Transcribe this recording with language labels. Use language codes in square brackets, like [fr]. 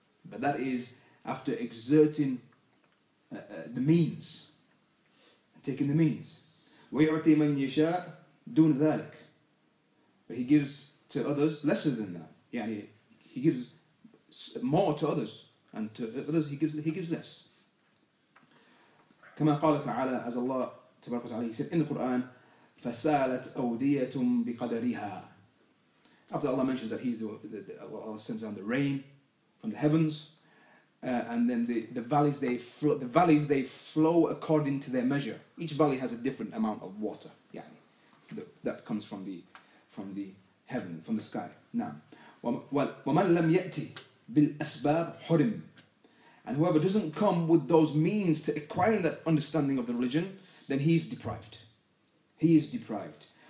[en] But that is after exerting the means, taking the means. [ar] وَيُعْطِي مَنْ يَشَاءُ دُونَ ذَلِكَ. [en] But he gives to others lesser than that. يعني, he gives more to others. And to others, he gives less. [ar] كما قال تعالى, [en] as Allah تبارك وتعالى, he said in the Quran, [ar] فسالت أودية بقدرها. [en] After Allah mentions that Allah sends down the rain from the heavens, and then the valleys flow according to their measure. Each valley has a different amount of water. يعني, that comes from the heaven, from the sky. [ar] Now, ومن لم يأتي بالأسباب حرم. [en] And whoever doesn't come with those means to acquiring that understanding of the religion, then he is deprived. He is deprived.